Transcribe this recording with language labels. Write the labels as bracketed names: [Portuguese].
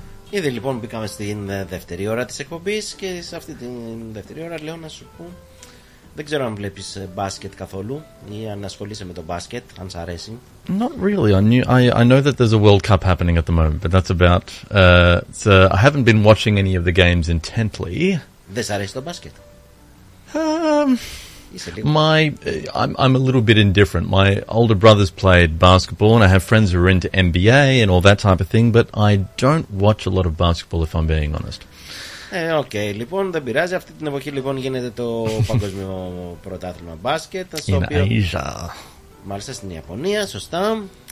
[Greek] Ήδη λοιπόν μπήκαμε στην δεύτερη ώρα της εκπομπής και σε αυτή την δεύτερη ώρα λέω να σου πω. Δεν ξέρω αν βλέπεις μπάσκετ καθόλου ή αν ασχολείσαι με το μπάσκετ, αν σ' αρέσει. [English] Not really. I know that there's a World Cup happening at the moment, but that's about... So I haven't been watching any of the games intently. [Greek] Δεν σ' αρέσει το μπάσκετ. [English] I'm a little bit indifferent. My older brothers played basketball and I have friends who are into NBA and all that type of thing, but I don't watch a lot of basketball if I'm being honest. Okay, [Greek] λοιπόν, δεν πειράζει. Αυτή την εποχή λοιπόν γίνεται το παγκόσμιο πρωτάθλημα μπάσκετ. Στο in οποίο, Asia. Μάλιστα στην Ιαπωνία, σωστά.